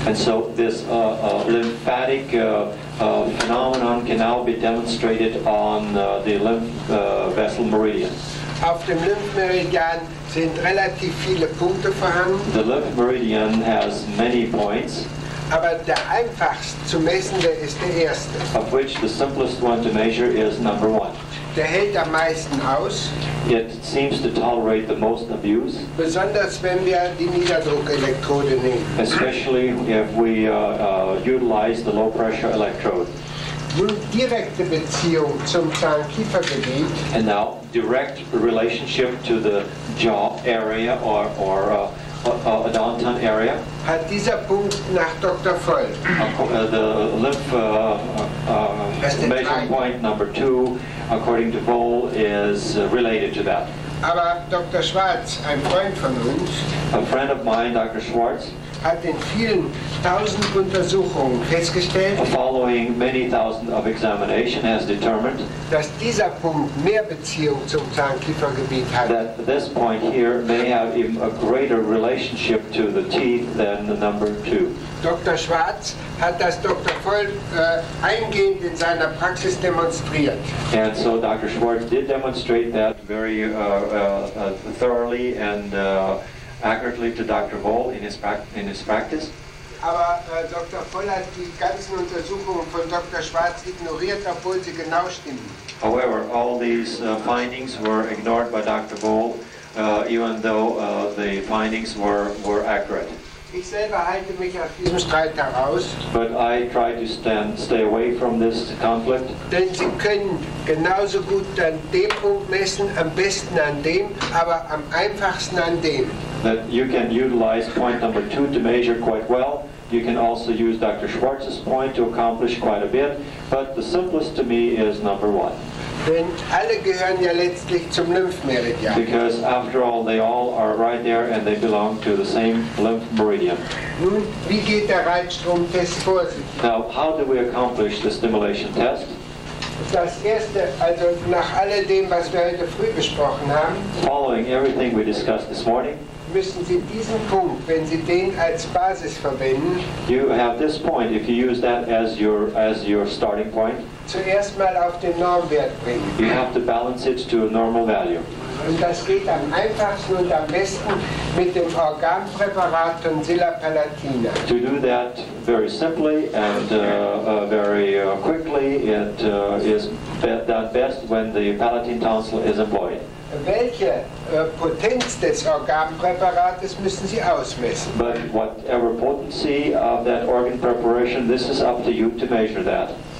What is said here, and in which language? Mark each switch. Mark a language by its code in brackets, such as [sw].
[en] And so this lymphatic phenomenon can now be demonstrated on the lymph vessel meridian. [de] Auf dem Lymphmeridian sind relativ viele Punkte vorhanden. [en] The lymph meridian has many points. [de] Aber der einfachst zu messende ist der erste. [en] Of which the simplest one to measure is number one. [de] Der hält am meisten aus. [en] It seems to tolerate the most abuse. [de] Besonders wenn wir die Niederdruckelektrode nehmen. [en] Especially if we utilize the low pressure electrode. [de] Nun direkte Beziehung zum Zahnkiefergebiet. [en] And now direct relationship to the jaw area or odontan area. [de] Hat dieser Punkt nach Dr. Voll. [en] The lymph measuring point number two, according to Voll, is related to that. [de] Aber Dr. Schwarz, ein Freund von uns, [en] a friend of mine, Dr. Schwarz, [de] hat in vielen tausend Untersuchungen festgestellt, [en] following many thousand of examination, has determined, [de] dass dieser Punkt mehr Beziehung zum Zahnkiefergebiet hat. [en] That this point here may have even a greater relationship to the teeth than the number two. [de] Dr. Schwarz hat das Dr. Voll eingehend in seiner Praxis demonstriert. [en] And so Dr. Schwarz did demonstrate that very thoroughly and accurately to Dr. Voll in his practice. [de] Aber Dr. Voll hat die ganzen Untersuchungen von Dr. Schwarz ignoriert, obwohl sie genau stimmen. [en] However, all these findings were ignored by Dr. Voll, even though the findings were accurate. He said I had to make a few strides to house. But I tried to stay away from this conflict. [de] Denn sie können genauso gut an dem Punkt messen, am besten an dem, aber am einfachsten an dem. [en] That you can utilize point number two to measure quite well. You can also use Dr. Schwartz's point to accomplish quite a bit. But the simplest to me is number one. [de] Denn alle gehören ja letztlich zum Lymphmeridian. [en] Because after all, they all are right there and they belong to the same lymph meridian. [de] Nun, wie geht der Reizstromtest vor sich? [en] Now, how do we accomplish the stimulation test? [de] Das erste, also nach all dem, was wir heute früh besprochen haben, [en] following everything we discussed this morning, [de] müssen Sie diesen Punkt, wenn Sie den als Basis verwenden, [en] you have this point, if you use that as your starting point, [de] zuerst mal auf den Normwert bringen. [en] You have to balance it to a normal value. [de] Und das geht am einfachsten und am besten mit dem Organpräparat und Silapalatina. [en] To do that very simply and very quickly, it is done best when the palatine tonsil is employed. [de] Welche Potenz des Organpräparates müssen Sie ausmessen? [en] But whatever potency of that organ preparation, this is up to you to measure that.